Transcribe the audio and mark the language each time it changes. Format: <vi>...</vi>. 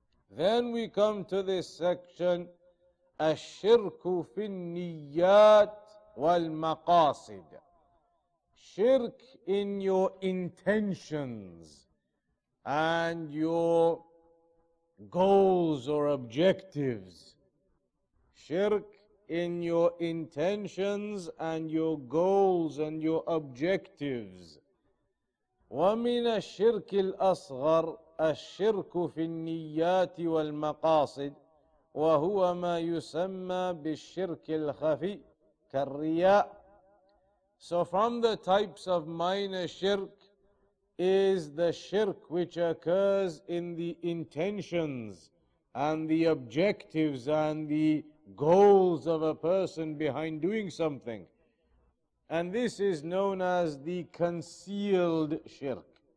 <en>Then we come to this section,</en> <ar>الشرك في النيات والمقاصد,</ar> <en>shirk in your intentions and your goals or objectives. Shirk in your intentions and your goals and your objectives.</en> <ar>ومن الشرك الأصغر الشرك في النيات والمقاصد وهو ما يسمى بالشرك الخفي كالرياء.</ar> <en>So from the types of minor shirk is the shirk which occurs in the intentions and the objectives and the goals of a person behind doing something. And this is known as the concealed shirk.</en>